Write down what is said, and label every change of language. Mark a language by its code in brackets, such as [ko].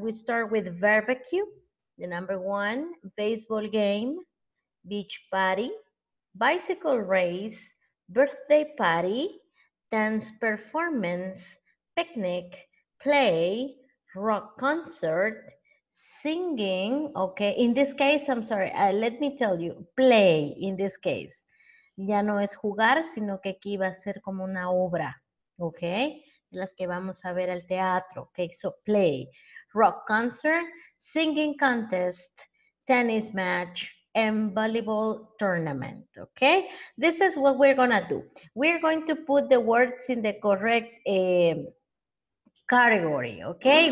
[en] We start with barbecue. The number one, baseball game, beach party, bicycle race, birthday party, dance performance, picnic, play, rock concert, singing. Okay, in this case, I'm sorry, let me tell you, play in this case. [es] Ya no es jugar, sino que aquí va a ser como una obra, okay? Las que vamos a ver al teatro, okay? [en] So play. Rock concert, singing contest, tennis match, and volleyball tournament, okay? This is what we're gonna do. We're going to put the words in the correct category, okay?